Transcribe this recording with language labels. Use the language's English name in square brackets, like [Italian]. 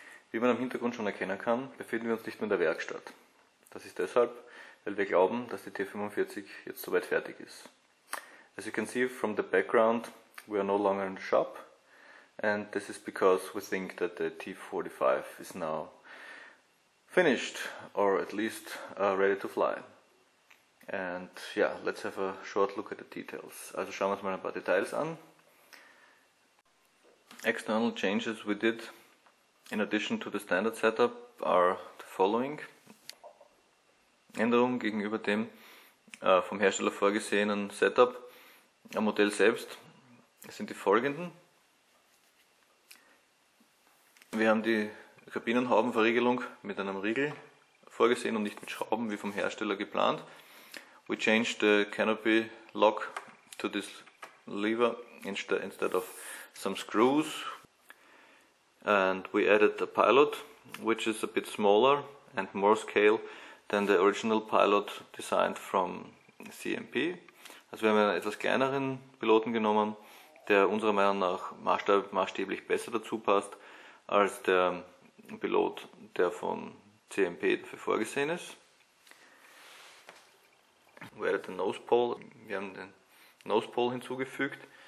[German] Wie man am Hintergrund schon erkennen kann, befinden wir uns nicht mehr in der Werkstatt. Das ist deshalb, weil wir glauben, dass die T-45 jetzt soweit fertig ist. [English] As you can see from the background, we are no longer in the shop. And this is because we think that the T-45 is now finished, or at least ready to fly. And yeah, let's have a short look at the details. [German] Also schauen wir uns mal ein paar Details an. [English] External changes we did in addition to the standard setup are the following. [German] Änderungen gegenüber dem vom Hersteller vorgesehenen Setup am Modell selbst sind die folgenden. Wir haben die Kabinenhaubenverriegelung mit einem Riegel vorgesehen und nicht mit Schrauben wie vom Hersteller geplant. [English] We changed the canopy lock to this lever instead of some screws. And we added a pilot, which is a bit smaller and more scale than the original pilot designed from CMP. [German] Also wir haben einen etwas kleineren Piloten genommen, der unserer Meinung nach maßstäblich besser dazu passt als der Pilot, der von CMP dafür vorgesehen ist. [English] We added the nose pole. [German] Wir haben den nose pole hinzugefügt.